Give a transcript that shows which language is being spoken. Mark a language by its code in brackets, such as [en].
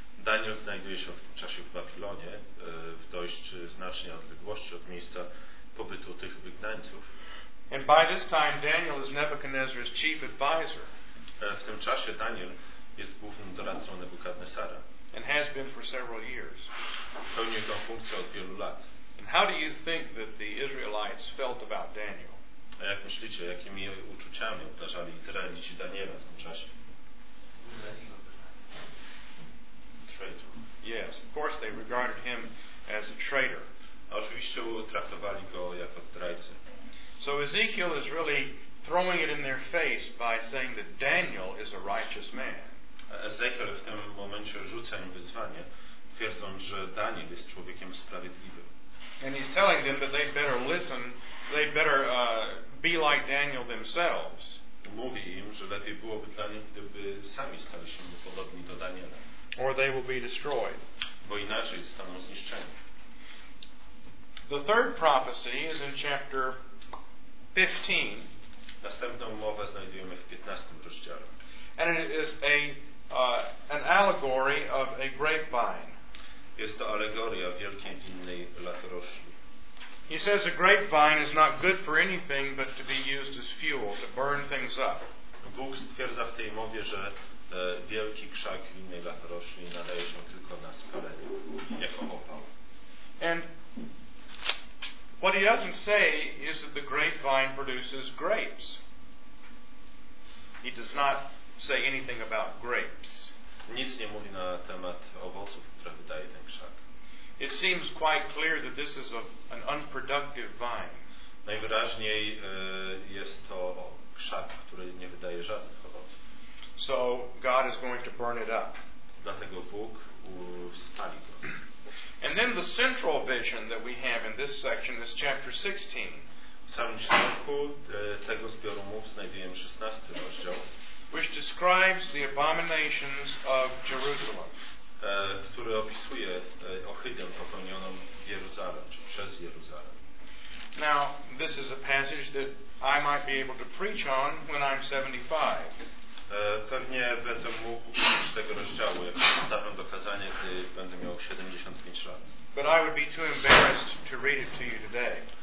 [pl] Daniel znajduje się w tym czasie w Babilonie, w dość znacznej odległości od miejsca pobytu tych wygnańców. [en] And by this time Daniel is Nebuchadnezzar's chief advisor. [pl] W tym czasie Daniel jest głównym doradcą Nebukadnesara. [en] And has been for several years. [pl] Pełnił tą funkcję od wielu lat. [en] And how do you think that the Israelites felt about Daniel? [pl] A jak myślicie, jakimi uczuciami obdarzali Izraelici Daniela w tym czasie? [en] Traitor. Yes, of course they regarded him as a traitor. [pl] A oczywiście traktowali go jako zdrajcę. [en] So Ezekiel is really throwing it in their face by saying that Daniel is a righteous man. [pl] Ezekiel w tym momencie rzuca im wyzwanie, twierdząc, że Daniel jest człowiekiem sprawiedliwym. [en] And he's telling them that they'd better listen, they'd better be like Daniel themselves. [pl] Mówi im, że lepiej byłoby dla nich, gdyby sami stali się podobni do Daniela. [en] Or they will be destroyed. [pl] Bo inaczej zostaną zniszczeni. [en] The third prophecy is in chapter 15. [pl] Następną mowę znajdujemy w 15 rozdziale. [en] And it is an allegory of a grapevine. [pl] Jest to alegoria wielkiej winnej latorośli. [en] He says a grapevine is not good for anything but to be used as fuel, to burn things up. [pl] Bóg stwierdza w tej mowie, że wielki krzak winnej latorośli nadaje się tylko na spalenie, jako opał. [en] And what he doesn't say is that the grapevine produces grapes. He does not say anything about grapes. [pl] Nic nie mówi na temat owoców, które wydaje ten krzak. [en] It seems quite clear that this is an unproductive vine. [pl] Najwyraźniej jest to krzak, który nie wydaje żadnych owoców. [en] So God is going to burn it up. [pl] Dlatego Bóg spali go. [en] And then the central vision that we have in this section is chapter 16. [pl] W samym środku tego zbioru mów znajdujemy 16 rozdział, [en] which describes the abominations of Jerusalem. [pl] który opisuje ohydę popełnioną w Jeruzalem, czy przez Jeruzalem. [en] Now, this is a passage that I might be able to preach on when I'm 75. [pl] Pewnie będę mógł uczyć tego rozdziału, jak przedstawiam do kazania, gdy będę miał 75 lat. [en] But I would be too embarrassed to read it to you today.